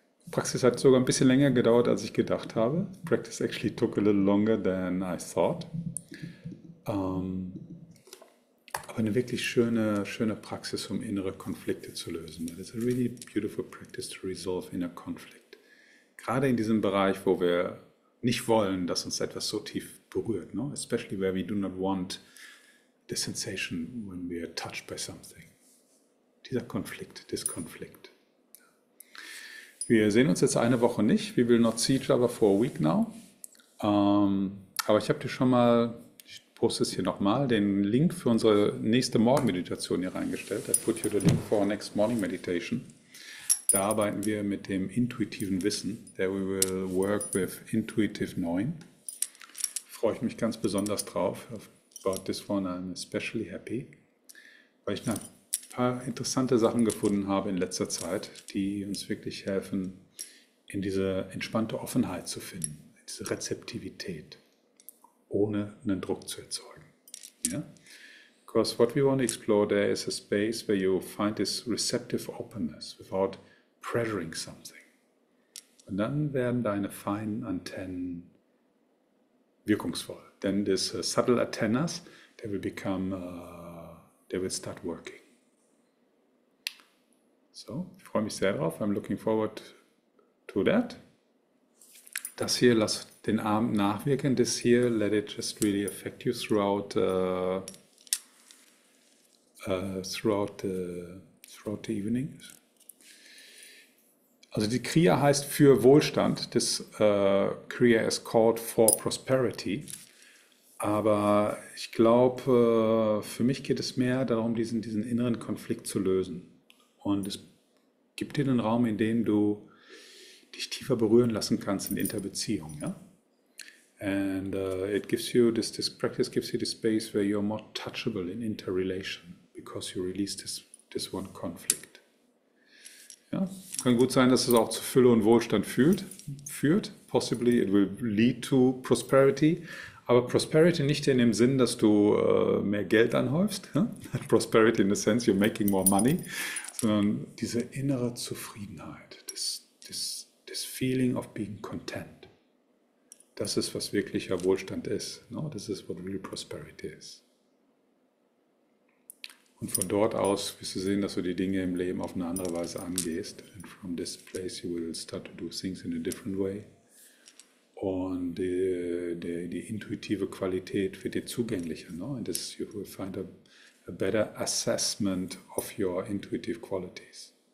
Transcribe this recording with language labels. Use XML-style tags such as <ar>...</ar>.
<de>Praxis hat sogar ein bisschen länger gedauert, als ich gedacht habe.</de> <en>Practice actually took a little longer than I thought.</en> <de>Aber eine wirklich schöne Praxis, um innere Konflikte zu lösen.</de> <en>That is a really beautiful practice to resolve inner conflict.</en> <de>Gerade in diesem Bereich, wo wir nicht wollen, dass uns etwas so tief berührt.</de> <en>No? Especially where we do not want the sensation when we are touched by something.</en> <de>Dieser Konflikt,</de> <en>this conflict.</en> <de>Wir sehen uns jetzt eine Woche nicht.</de> <en>We will not see each other for a week now.</en> <de>Aber ich habe dir schon mal, ich poste es hier nochmal, den Link für unsere nächste Morgenmeditation hier reingestellt.</de> <en>I put you the link for our next morning meditation.</en> <de>Da arbeiten wir mit dem intuitiven Wissen.</de> <en>There we will work with intuitive knowing.</en> <de>Freue ich mich ganz besonders drauf.</de> <en>About this one I'm especially happy.</en> <de>Weil ich nach paar interessante Sachen gefunden habe in letzter Zeit, die uns wirklich helfen, in diese entspannte Offenheit zu finden, in diese Rezeptivität, ohne einen Druck zu erzeugen. Ja?</de> <en>Because what we want to explore there is a space where you find this receptive openness without pressuring something.</en> <de>Und dann werden deine feinen Antennen wirkungsvoll.</de> <en>Then this subtle antennas, they will they will start working.</en> <de>So, ich freue mich sehr drauf.</de> <en>I'm looking forward to that.</en> <de>Das hier, lass den Abend nachwirken.</de> <en>This here, let it just really affect you throughout the evening.</en> <de>Also die Kriya heißt für Wohlstand.</de> <en>This Kriya is called for prosperity.</en> <de>Aber ich glaube, für mich geht es mehr darum, diesen inneren Konflikt zu lösen. Und es gib dir einen Raum, in dem du dich tiefer berühren lassen kannst in Interbeziehung. Ja?</de> <en>And it gives you this, this practice gives you the space where you're more touchable in interrelation, because you release this one conflict.</en> <de>Ja? Kann gut sein, dass es auch zu Fülle und Wohlstand führt.</de> <en>Possibly it will lead to prosperity.</en> <de>Aber Prosperity nicht in dem Sinn, dass du mehr Geld anhäufst. Ja?</de> <en>Prosperity in the sense you're making more money.</en> <de>Sondern diese innere Zufriedenheit, das</de> <en>Feeling of being content,</en> <de>das ist, was wirklicher Wohlstand ist.</de> <en>No?</en> <de>Das ist,</de> <en>what real prosperity</en> <de>ist. Und von dort aus wirst du sehen, dass du die Dinge im Leben auf eine andere Weise angehst.</de> <en>And from this place you will start to do things in a different way.</en> <de>Und die intuitive Qualität wird dir zugänglicher.</de> <en>No? And this, you will find a better assessment of your intuitive qualities.</en>